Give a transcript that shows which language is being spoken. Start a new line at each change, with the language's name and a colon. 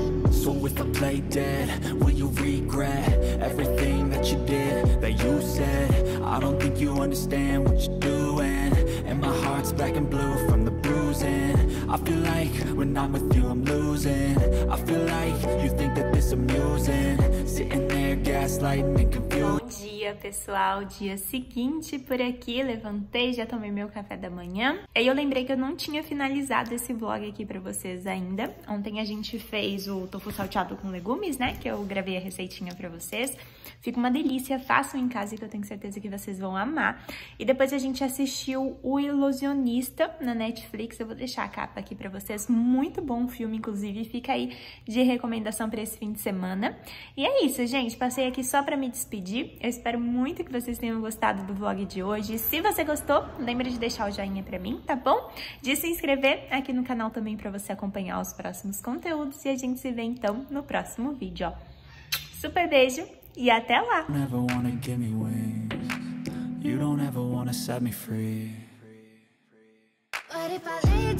English: So if I play dead, will you regret everything that you did, that you said? I don't think you understand what you're doing. And my heart's black and blue from the bruising. I feel like when I'm with you, I'm losing. I feel like you think that this amusing. Sitting there gaslighting and confused.
Portuguese: Bom dia, pessoal. Dia seguinte por aqui. Levantei, já tomei meu café da manhã. E aí eu lembrei que eu não tinha finalizado esse vlog aqui pra vocês ainda. Ontem a gente fez o tofu salteado com legumes, né? Que eu gravei a receitinha pra vocês. Fica uma delícia. Façam em casa que eu tenho certeza que vocês vão amar. E depois a gente assistiu O Ilusionista na Netflix. Eu vou deixar a capa aqui pra vocês. Muito bom filme, inclusive. Fica aí de recomendação pra esse fim de semana. E é isso, gente. Passei aqui só pra me despedir. Eu espero muito que vocês tenham gostado do vlog de hoje. Se você gostou, lembre de deixar o joinha pra mim, tá bom? De se inscrever aqui no canal também pra você acompanhar os próximos conteúdos. E a gente se vê, então, no próximo vídeo, ó. Super beijo e até lá!
English: Never wanna give me wings. You don't ever wanna set me free. But if I